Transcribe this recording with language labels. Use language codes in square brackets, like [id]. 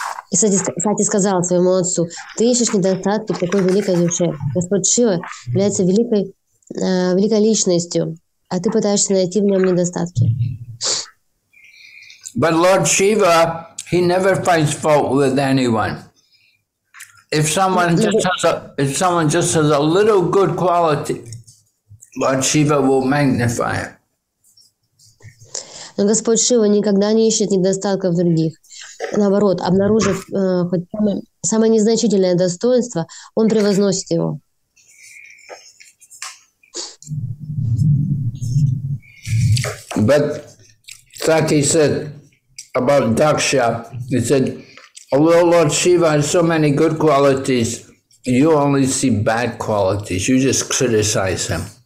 [ru] И Сати сказал своему отцу, ты ищешь недостатки такой великой душе. Господь Шива является великой личностью, а ты пытаешься найти в нем недостатки. [en] But Lord Shiva, he never finds fault with anyone. If someone just has a little good quality, Lord Shiva will magnify it. [ru] Но Господь Шива никогда не ищет недостатков других. Наоборот, обнаружив хоть самое незначительное достоинство, он превозносит его. [en] But Sati said about Daksha, he said, although Lord Shiva has so many good qualities, you only see bad qualities, you just criticize him.